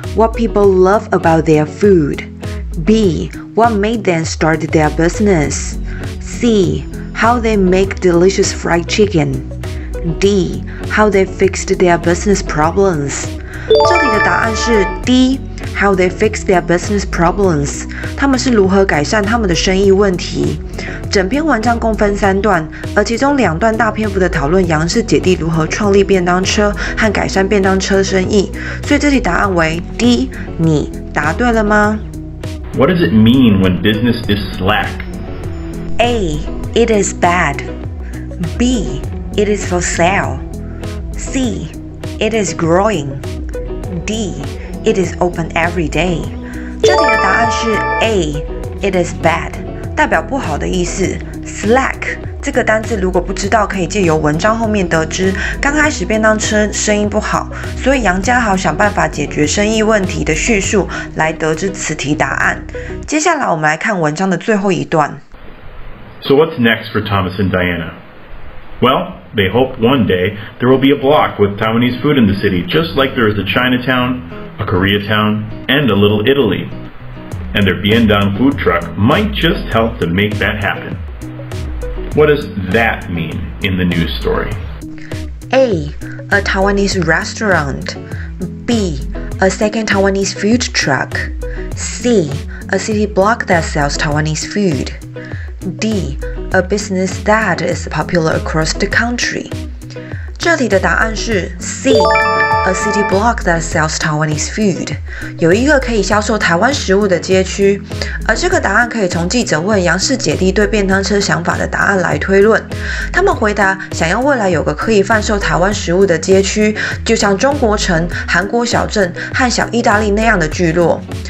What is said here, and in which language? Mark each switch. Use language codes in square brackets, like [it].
[en] What people love about their food. B. What made them start their business. C. How they make delicious fried chicken. D. How they fixed their business problems. [zh] 这里的答案是 D. [en] How they fixed their business problems. [zh] 他们是如何改善他们的生意问题。整篇文章共分三段，而其中两段大篇幅的讨论杨氏姐弟如何创立便当车和改善便当车生意，所以这题答案为 D， 你答对了吗 [en] ？What does it mean when business is slack? A. It is bad. B. It is for sale. C. It is growing. D. It is open every day. [zh] 这题的答案是 [en] A. It is bad. [zh] 代表不好的意思 ，slack 这个单字如果不知道，可以借由文章后面得知。刚开始便当车生意不好，所以杨家豪想办法解决生意问题的叙述来得知此题答案。接下来我们来看文章的最后一段。 [en] So what's next for Thomas and Diana? Well, they hope one day there will be a block with Taiwanese food in the city, just like there is a Chinatown, a Koreatown, and a little Italy. And their Biendang food truck might just help to make that happen. What does that mean in the news story? A. A Taiwanese restaurant. B. A second Taiwanese food truck. C. A city block that sells Taiwanese food. D. A business that is popular across the country. [zh] 这题的答案是 C. [en] A city block that sells Taiwanese food. [zh] 有一个可以销售台湾食物的街区，而这个答案可以从记者问杨氏姐弟对便当车想法的答案来推论。他们回答，想要未来有个可以贩售台湾食物的街区，就像中国城、韩国小镇和小意大利那样的聚落。